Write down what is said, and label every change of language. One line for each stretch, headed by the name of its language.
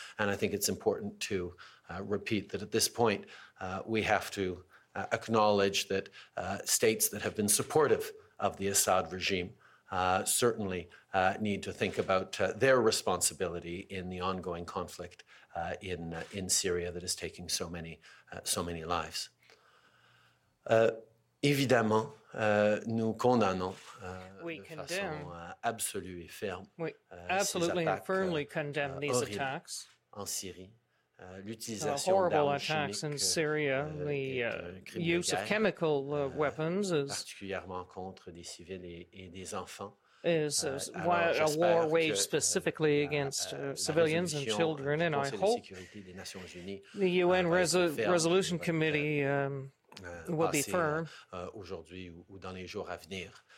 English: And I think it's important to repeat that at this point, we have to acknowledge that states that have been supportive of the Assad regime certainly need to think about their responsibility in the ongoing conflict in Syria that is taking so many lives.
French: Évidemment, nous condamnons de façon absolue et ferme.
English: We absolutely and firmly condemn these attacks.
French: En Syrie, l'utilisation d'armes chimiques.
English: Horrible attacks in Syria. The use of chemical weapons is
French: particulièrement contre des civils et des enfants.
English: Is a war waged specifically against civilians and children, and I hope the UN Resolution Committee will be firm
French: aujourd'hui ou dans les jours à venir.